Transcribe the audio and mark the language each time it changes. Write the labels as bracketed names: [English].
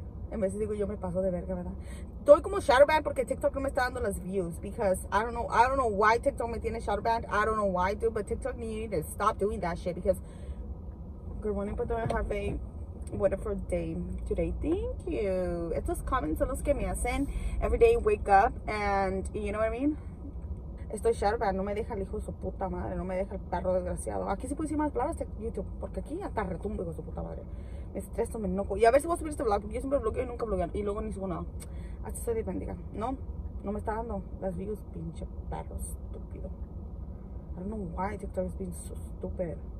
[Spanish] En vez de digo, yo me paso de verga, ¿verdad? Estoy como shadowban porque TikTok no me está dando las views. [English] Because I don't know why TikTok [Spanish] me tiene [English] shadowban. I don't know why, dude. But TikTok need to stop doing that shit. Because good morning, but don't have a wonderful day today. Thank you. [Spanish] Estos comments son los que me hacen [English] every day wake up. And you know what I mean? [Spanish] Estoy shadowban. No me deja el hijo de su puta madre. No me deja el perro desgraciado. Aquí sí puedo decir más palabras de YouTube. Porque aquí hasta retumbo, hijo de su puta madre. Me estreso, me enojo. Y a ver si voy a subir este vlog. Porque yo siempre bloqueo y nunca blogueo. Y luego ni subo nada. Hasta se dependiga. No. No me está dando las views, pinche perro estúpido. [English] I don't know why TikTok is being so stupid.